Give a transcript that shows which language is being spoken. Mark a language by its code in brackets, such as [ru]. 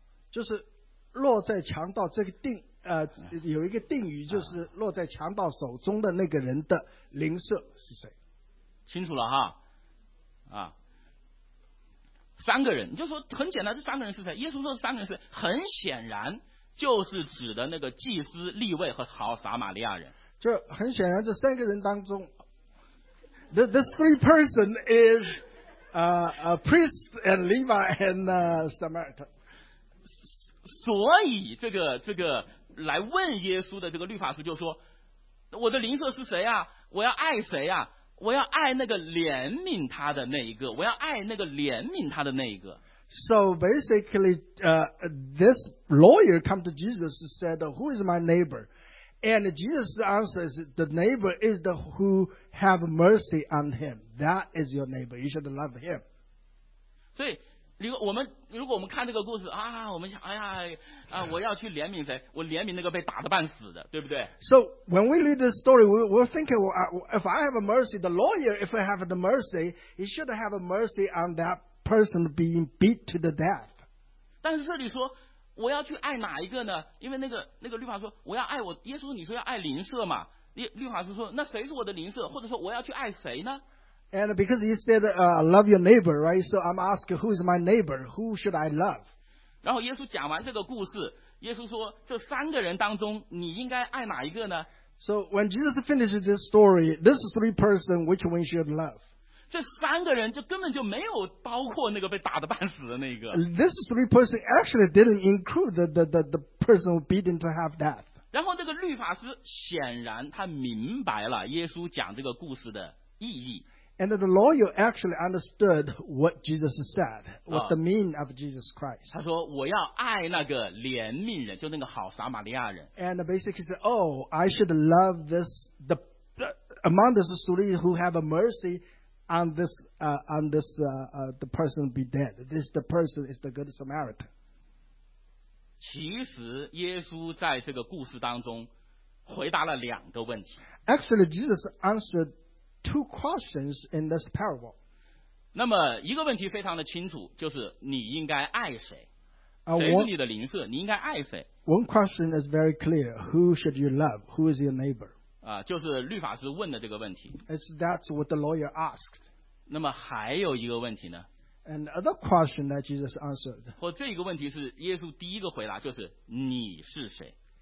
[zh] 就是落在强盗这个定有一个定语，就是落在强盗手中的那个人的邻舍是谁？清楚了哈，三个人，就说很简单，这三个人是谁？耶稣说三个人是，很显然就是指的那个祭司、利未和好撒玛利亚人。就很显然，这三个人当中 [en] ，the three person is a priest and Levi and Samaritan。 [zh] 所以这个。来问耶稣的这个律法师就说，我的邻舍是谁啊？我要爱谁啊？我要爱那个怜悯他的那一个，我要爱那个怜悯他的那一个。 [en] So basically, this lawyer come to Jesus and said, "Who is my neighbor?" And Jesus' answer is, "The neighbor is the who have mercy on him. That is your neighbor. You should love him." [zh] 所以。如果我们看这个故事啊，我们想，哎呀，我要去怜悯谁？我怜悯那个被打得半死的，对不对 [en] ？So when we read this story, we're thinking, if I have a mercy, the lawyer, if I have the mercy, he should have a mercy on that person being beat to the death. [zh] 但是这里说，我要去爱哪一个呢？因为那个律法说，我要爱我耶稣，你说要爱邻舍嘛？律法师说，那谁是我的邻舍？或者说我要去爱谁呢？ [en] And because you said, love your neighbor, right? So I'm asking, who is my neighbor? Who should I love? [zh] 然后耶稣讲完这个故事，耶稣说，这三个人当中，你应该爱哪一个呢？ [en] So when Jesus finishes this story, this three person, which one should love? [zh] 这三个人就根本就没有包括那个被打得半死的那个。 [en] This three person actually didn't include the person beaten to half death. [zh] 然后这个律法师显然他明白了耶稣讲这个故事的意义。 [en] And the lawyer actually understood what Jesus said, what the mean of Jesus Christ. [zh] 他说我要爱那个怜悯人，就那个好撒玛利亚人。 [en] And basically said, oh, I should love this the among this three who have a mercy on this the person be dead. This the person is the good Samaritan. [zh] 其实耶稣在这个故事当中回答了两个问题。 [en] Actually, Jesus answered. Two questions in this parable. [zh] 那么一个问题非常的清楚，就是你应该爱谁？谁是你的邻舍？你应该爱谁 [en] ？One question is very clear. Who should you love? Who is your neighbor? [zh] 就是律法师问的这个问题。 [en] That's what the lawyer asked. [zh] 那么还有一个问题呢 [en] ？And other question that Jesus answered. [zh] 或这个问题是耶稣第一个回答，就是你是谁